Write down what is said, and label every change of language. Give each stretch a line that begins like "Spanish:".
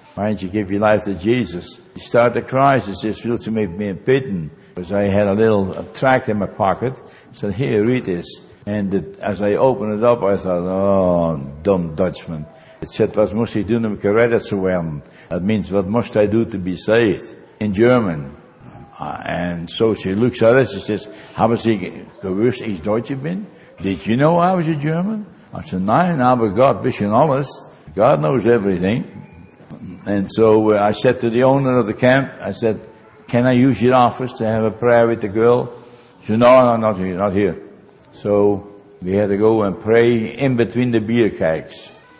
English: Why don't you give your life to Jesus? You start to cry. She says, feel to make me a bitten. Because I had a little tract in my pocket. I said, here, read this. And as I opened it up, I thought, oh, dumb Dutchman. It said,
German: was muss ich tun, um gerettet zu werden?
English: That means, what must I do to be saved? In German. And so she looks at us.
German: She says, haben Sie gewusst, ich Deutsche bin?
English: Did you know I was a German? I said,
German: nein, aber Gott wissen alles.
English: God knows everything. And so I said to the owner of the camp, I said, can I use your office to have a prayer with the girl? She said, no, not here, not here. So we had to go and pray in between the beer kegs.